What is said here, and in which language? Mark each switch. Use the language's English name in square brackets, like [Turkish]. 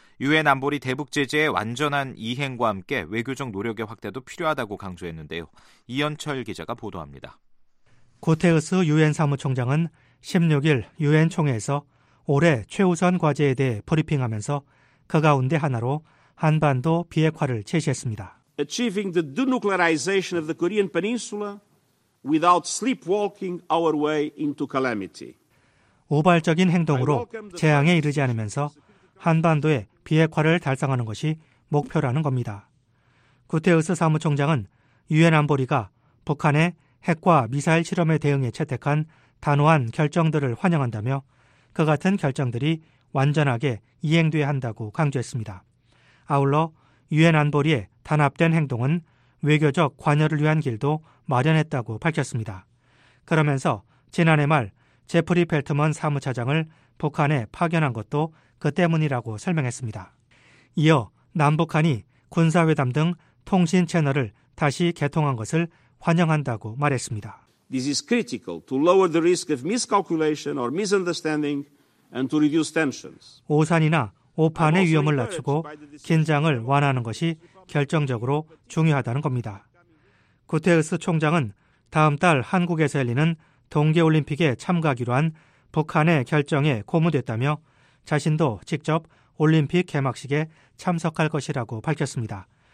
[Korean] 유엔 안보리 대북 제재의 완전한 이행과 함께 외교적 노력의 확대도 필요하다고 강조했는데요. 이현철 기자가 보도합니다. 구테우스 유엔 사무총장은 16일 유엔 총회에서 올해 최우선 과제에 대해 브리핑하면서 그 가운데 하나로 한반도 비핵화를 제시했습니다. [English] Achieving the denuclearization of the Korean Peninsula without sleepwalking our way into calamity. [Korean] 우발적인 행동으로 재앙에 이르지 않으면서 한반도의 비핵화를 달성하는 것이 목표라는 겁니다. 구테우스 사무총장은 유엔 안보리가 북한의 핵과 미사일 실험에 대응해 채택한 단호한 결정들을 환영한다며 그 같은 결정들이 완전하게 이행돼야 한다고 강조했습니다. 아울러 유엔 안보리의 단합된 행동은 외교적 관여를 위한 길도 마련했다고 밝혔습니다. 그러면서 지난해 말 제프리 펠트먼 사무차장을 북한에 파견한 것도 그 때문이라고 설명했습니다. 이어 남북한이 군사회담 등 통신 채널을 다시 개통한 것을 환영한다고 말했습니다. [English] This is critical to lower the risk of miscalculation or misunderstanding and to reduce tensions. [Korean] 오산이나 오판의 위험을 낮추고 긴장을 완화하는 것이 결정적으로 중요하다는 겁니다. 구테흐스 총장은 다음 달 한국에서 열리는 동계올림픽에 참가하기로 한 북한의 결정에 고무됐다며 자신도 직접 올림픽 개막식에 참석할 것이라고 밝혔습니다.